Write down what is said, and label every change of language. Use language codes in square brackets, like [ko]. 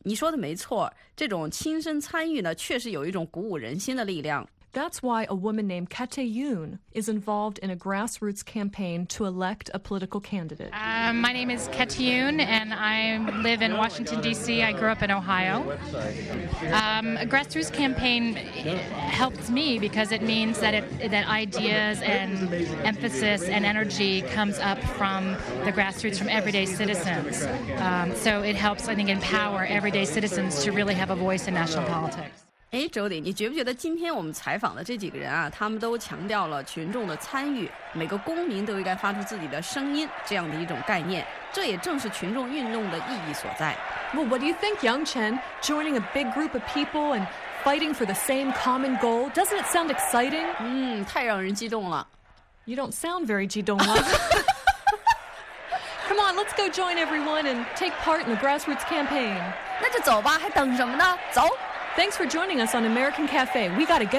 [zh] 你说的没错，这种亲身参与呢，确实有一种鼓舞人心的力量。 [en] That's why a woman named Kate Yoon is involved in a grassroots campaign to elect a political candidate. My name is Kate Yoon, and I live in Washington, D.C. I grew up in Ohio. A grassroots campaign helps me because it means that, that ideas and emphasis and energy comes up from the grassroots, from everyday citizens. So it helps, I think, empower everyday citizens to really have a voice in national politics. [zh] 哎 ，Jody， 你觉不觉得今天我们采访的这几个人啊，他们都强调了群众的参与，每个公民都应该发出自己的声音这样的一种概念，这也正是群众运动的意义所在。 [en] Well, what do you think, Yang Chen? Joining a big group of people and fighting for the same common goal, doesn't it sound exciting? [zh] 太让人激动了。 [en] You don't sound very [zh] 激动了。 [en] Come on, let's go join everyone and take part in the grassroots campaign. [zh] 那就走吧，还等什么呢？走。 [en] Thanks for joining us on American Cafe. We gotta go.